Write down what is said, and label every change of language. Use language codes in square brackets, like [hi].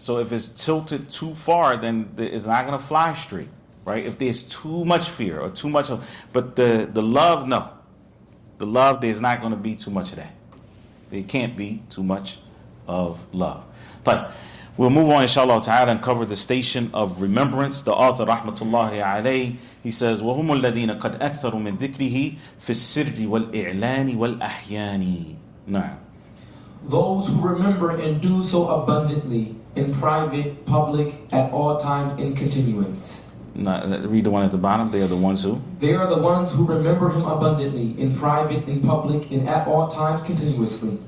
[en] So if it's tilted too far, then it's not going to fly straight, right? If there's too much fear or too much of, but the love, no. The love, there's not going to be too much of that. There can't be too much of love. But we'll move on, inshallah ta'ala, and cover the station of remembrance. The author, rahmatullahi alayhi, he says, [ar] وَهُمُ الَّذِينَ قَدْ أَكْثَرُوا مِنْ ذِكْرِهِ فِي السِّرِّ وَالْإِعْلَانِ وَالْأَحْيَانِ. نعم. [en] Those who remember and do so abundantly, in private, public, at all times, in continuance. Read the one at the bottom. They are the ones who? They are the ones who remember Him abundantly, in private, in public, and at all times, continuously.